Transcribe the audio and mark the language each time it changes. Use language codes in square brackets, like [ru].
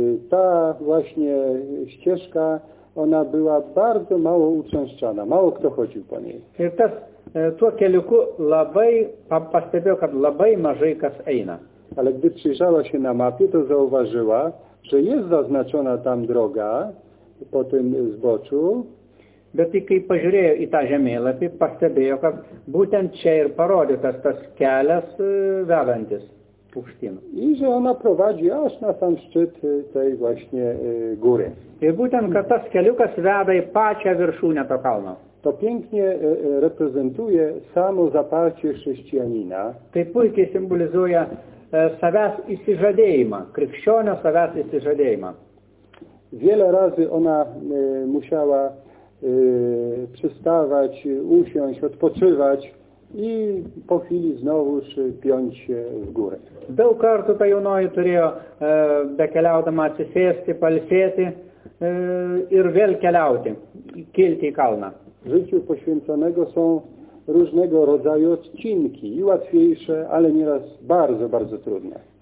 [pl] Ta właśnie ścieżka, ona była bardzo mało uczęszczana, mało kto chodził po niej. [lt] Tuo keliuku labai pastebėjau, kad labai mažai kas eina. [pl] Ale gdy przyjrzała się na mapie, to zauważyła, że jest zaznaczona tam droga po tym zboczu. [lt] Bet i kai pažiūrėjo į tą žemėlapį, pastebėjo, kad būtent čia ir parodytas tas kelias vedantis aukštyn. [pl] I że ona prowadzi aż na sam szczyt tej właśnie góry. [lt] Ir būtent, kad tas keliukas veda į pačią viršūnę to kalno. [pl] To pięknie reprezentuje samo zaparcie chrześcijanina. [lt] Tai puikiai symbolizuje savęs įsižadėjimą, krikščionio savęs įsižadėjimą. [pl] Wiele razy ona musiała przystawać, usiąść, odpoczywać i po chwili znowuż piąć się w górę. [lt] Daug kartų ta jaunoji turėjo bekeliaudama atsisėsti, palsėti ir vėl keliauti, kilti į kalną. [pl] życiu poświęconego są różnego rodzaju odcinki, i łatwiejsze, ale nieraz bardzo, bardzo trudne.